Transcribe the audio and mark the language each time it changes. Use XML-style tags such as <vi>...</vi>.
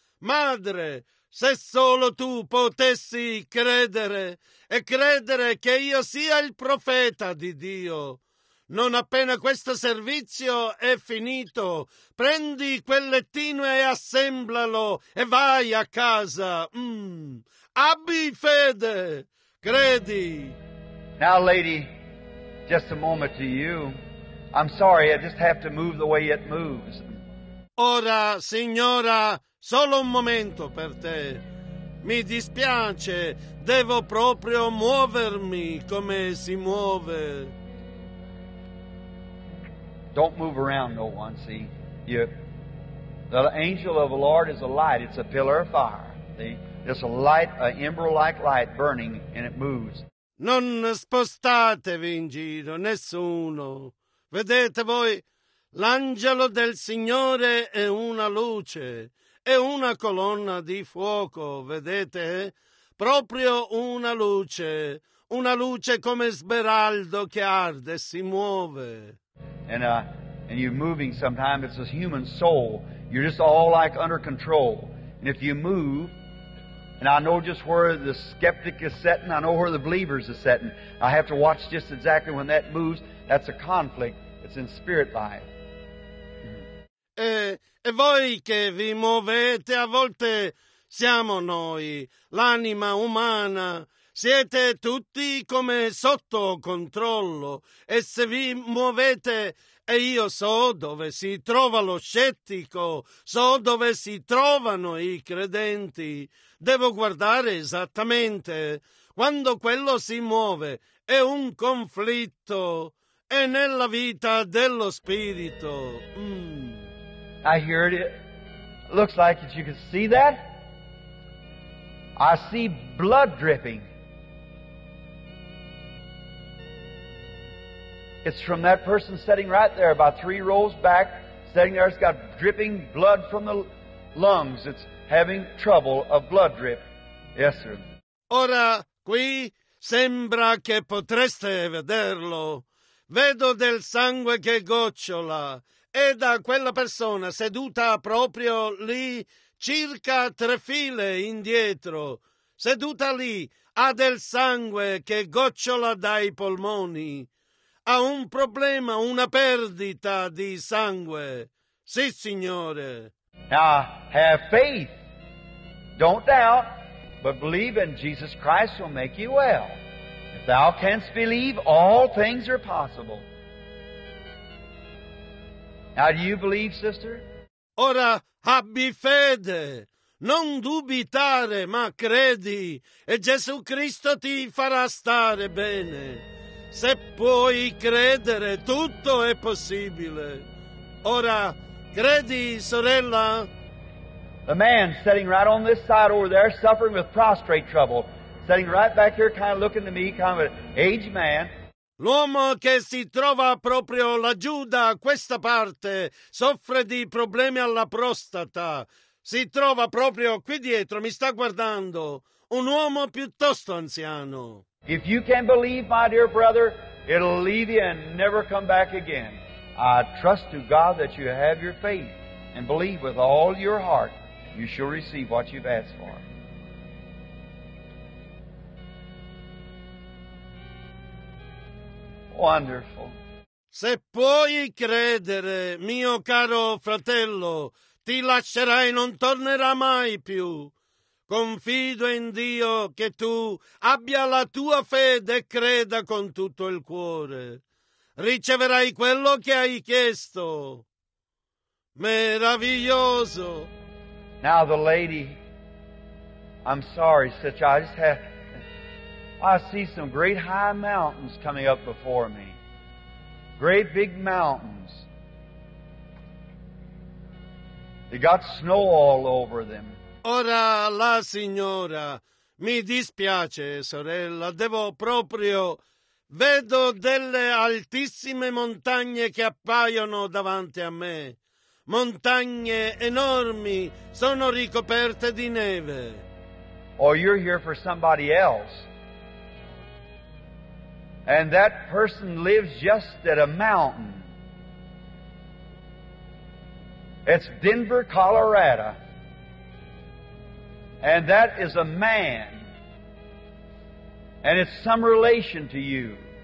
<it>Madre, se solo tu potessi credere e credere che io sia il profeta di Dio, non appena questo servizio è finito, prendi quel lettino e assemblalo e vai a casa. Abbi fede, credi.</it> <en>Now, lady, just a moment to you. I'm sorry, I just have to move the way it moves.</en> <it>Ora, signora, solo un momento per te. Mi dispiace, devo proprio muovermi come si muove.</it> <en>Don't move around, no one, see? You, the angel of the Lord is a light, it's a pillar of fire. See? It's a light, an ember-like light burning, and it moves.</en> <it>Non spostatevi in giro, nessuno. Vedete voi, l'angelo del Signore è una luce, è una colonna di fuoco, vedete? Proprio una luce come smeraldo che arde e si muove.</it> <en>And you're moving sometimes, it's a human soul. You're just all like under control. And if you move, and I know just where the skeptic is setting, I know where the believers are setting. I have to watch just exactly when that moves. That's a conflict. It's in spirit life.</en> <it>E voi che vi muovete, a volte siamo noi, l'anima umana. Siete tutti come sotto controllo. E se vi muovete, e io so dove si trova lo scettico, so dove si trovano i credenti. Devo guardare esattamente. Quando quello si muove, è un conflitto. È nella vita dello spirito.</it> <en>I hear it. It looks like it. You can see that. I see blood dripping. It's from that person sitting right there, about three rows back, sitting there. It's got dripping blood from the lungs. It's having trouble of blood drip. Yes, sir.</en> <it>Ora qui sembra che potreste vederlo. Vedo del sangue che gocciola. E da quella persona seduta proprio lì, circa tre file indietro, seduta lì, ha del sangue che gocciola dai polmoni. Ha un problema, una perdita di sangue. Sì, signore.</it> <en>Now, have faith. Don't doubt, but believe in Jesus Christ will make you well. If thou canst believe, all things are possible. Now, do you believe, sister?</en> <it>Ora, abbi fede. Non dubitare, ma credi. E Gesù Cristo ti farà stare bene. Se puoi credere, tutto è possibile. Ora, credi, sorella?</it> <en>The man sitting right on this side over there, suffering with prostate trouble, sitting right back here, kind of looking to me, kind of an aged man.</en> <it>L'uomo che si trova proprio laggiù da questa parte soffre di problemi alla prostata. Si trova proprio qui dietro, mi sta guardando, un uomo piuttosto anziano.</it> <en>If you can believe, my dear brother, it'll leave you and never come back again. I trust to God that you have your faith and believe with all your heart you shall receive what you've asked for. Wonderful.</en> <it>Se puoi credere, mio caro fratello, ti lascerai e non tornerà mai più. Confido in Dio che tu abbia la tua fede e creda con tutto il cuore. Riceverai quello che hai chiesto. Meraviglioso.</it> <en>Now the lady, I'm sorry, sister, I see some great high mountains coming up before me. Great big mountains. They got snow all over them.</en> <it>Ora la signora, mi dispiace, sorella, devo proprio... Vedo delle altissime montagne che appaiono davanti a me. Montagne enormi, sono ricoperte di neve.</it> <en>Oh, you're here for somebody else. And that person lives just at a mountain. It's Denver, Colorado. And that is a man. And it's some relation to you.</en>